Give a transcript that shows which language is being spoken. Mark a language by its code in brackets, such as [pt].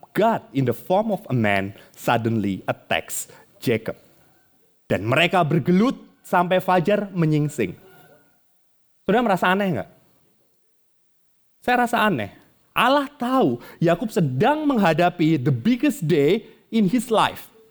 [en] God in the form of a man suddenly attacks Jacob. [id] Dan mereka bergelut sampai fajar menyingsing. Sudah merasa aneh enggak? Saya rasa aneh. Allah tahu Yakub sedang menghadapi [en] the biggest day in his life.